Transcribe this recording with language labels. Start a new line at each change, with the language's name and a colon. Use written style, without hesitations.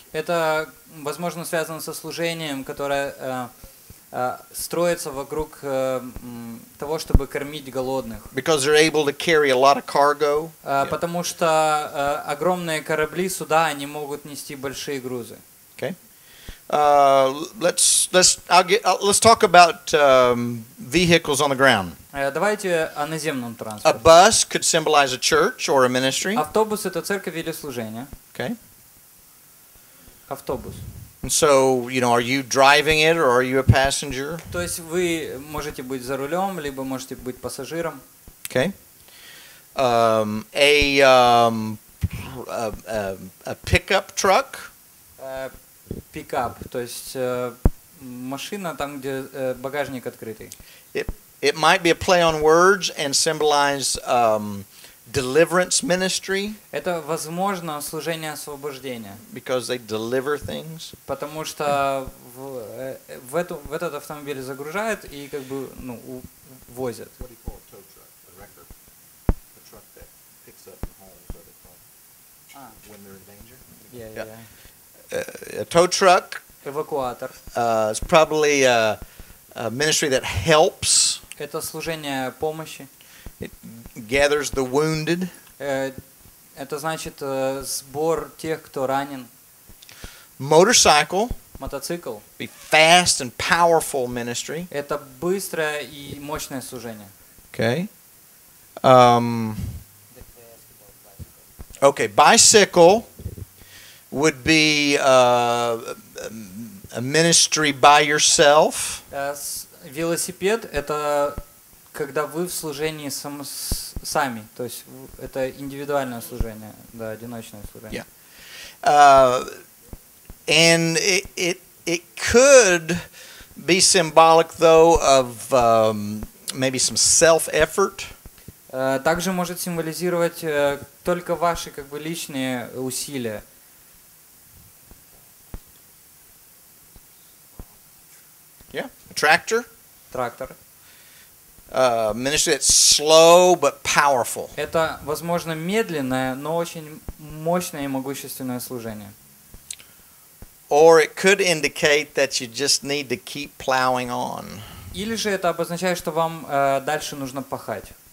Russian: Это, возможно, связано со служением, которое строится вокруг того, чтобы кормить голодных.
English: Because they're able to carry a lot of cargo.
Russian: Потому что огромные корабли, суда, они могут нести большие грузы.
English: Okay. Let's talk about vehicles on the ground.
Russian: Давайте о наземном транспорте.
English: A bus could symbolize a church or a ministry.
Russian: Автобус это церковь или служение.
English: Okay.
Russian: Автобус.
English: And so, you know, are you driving it or are you a passenger?
Russian: То есть вы можете быть за рулем, либо можете быть пассажиром.
English: Okay. A pickup truck.
Russian: Pickup, то есть машина там, где багажник открытый.
English: It might be a play on words and symbolize deliverance ministry.
Russian: Это возможно служение освобождения.
English: Because they deliver things.
Russian: Потому что в этот автомобиль загружают и как бы ну увозят.
English: What do you call a tow truck? A wrecker? A truck that picks up and hauls other folks when they're in danger? Yeah. A tow truck.
Russian: Эвакуатор.
English: It's probably a ministry that helps.
Russian: Это служение помощи.
English: It gathers the wounded.
Russian: Это значит сбор тех, кто ранен.
English: Motorcycle.
Russian: Мотоцикл.
English: A fast and powerful ministry.
Russian: Это быстрое и мощное служение.
English: Okay. Okay. Bicycle would be a ministry by yourself.
Russian: Велосипед это когда вы в служении сами, то есть это индивидуальное служение, да, одиночное служение.
English: Yeah. And it could be symbolic though of maybe some self-effort.
Russian: Также может символизировать только ваши как бы личные усилия.
English: Yeah. Tractor.
Russian: Трактор.
English: Ministry that's slow but powerful.
Russian: Это возможно медленное, но очень мощное и могущественное служение.
English: Or it could indicate that you just need to keep plowing on.
Russian: Или же это обозначает, что вам дальше нужно пахать.